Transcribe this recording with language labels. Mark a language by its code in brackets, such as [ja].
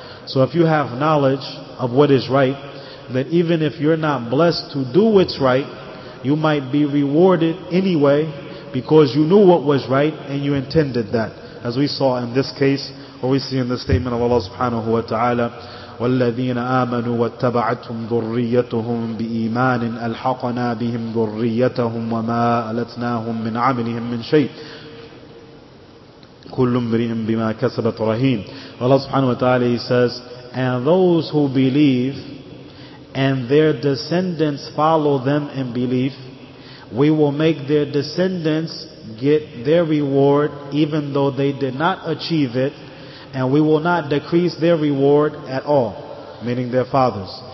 [en] So if you have knowledge of what is right, then even if you're not blessed to do what's right, you might be rewarded anyway, because you knew what was right and you intended that. As we saw in this case, or we see in the statement of Allah subhanahu wa ta'ala, [ar] والذين آمنوا واتبعتهم ذريتهم بإيمان ألحقنا بهم ذريتهم وما ألتناهم من عملهم من شيء كل امرئ بما كسب رهين. الله سبحانه وتعالى [en] says, and those who believe and their descendants follow them in belief, we will make their descendants get their reward even though they did not achieve it, and we will not decrease their reward at all, meaning their fathers.